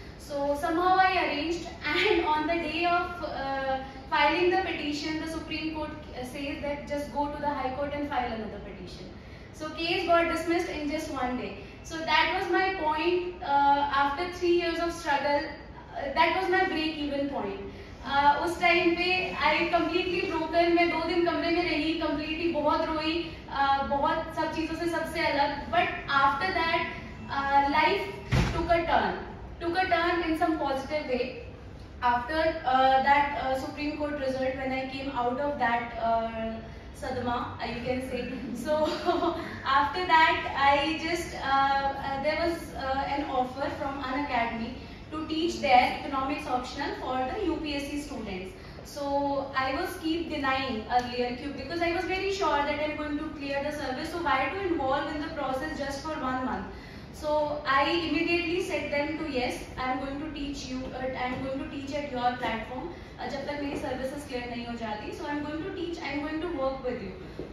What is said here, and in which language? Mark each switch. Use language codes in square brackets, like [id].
[en] So somehow I arranged, and on the day of filing the petition, the Supreme Court says that just go to the High Court and file another petition. So case got dismissed in just one day. So that was my point. After 3 years of struggle, that was my break-even point. [hi] उस time पे I completely broken, मैं 2 दिन कमरे में रही, completely बहुत रोई, बहुत सब चीज़ों से सबसे अलग. [en] But after that life took a turn in some positive way. After that supreme court result, when I came out of that सदमा, you can say, so after that I just, there was an offer from an academy to teach their economics optional for the UPSC students. So I was keep denying earlier because I was very sure that I'm going to clear the service. So why to involve in the process just for 1 month? So I immediately said them to yes, I'm going to teach you, I'm going to teach at your platform. [hi] जब तक मेरी services clear नहीं हो जाती, [en] So I am going to teach, I am going to work with you.